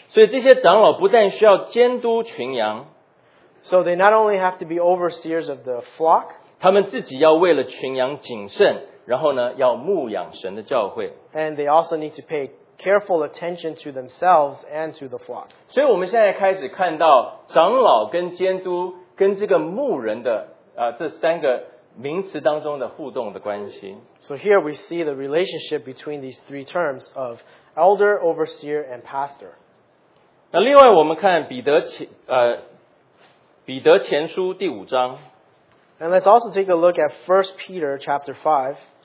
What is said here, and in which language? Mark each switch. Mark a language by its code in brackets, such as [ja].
[zh] 所以这些长老不但需要监督群羊, [en] so they not only have to be overseers of the flock, [zh] 他们自己要为了群羊谨慎, 然后呢, 要牧养神的教会, [en] and they also need to pay careful attention to themselves and to the flock. [zh] 所以我们现在开始看到长老跟监督跟这个牧人的 这三个名词当中的互动的关系。 [en] So here we see the relationship between these three terms of elder, overseer, and pastor. [zh] 那另外我们看彼得前书第五章。 [en] And let's also take a look at 1 Peter chapter 5.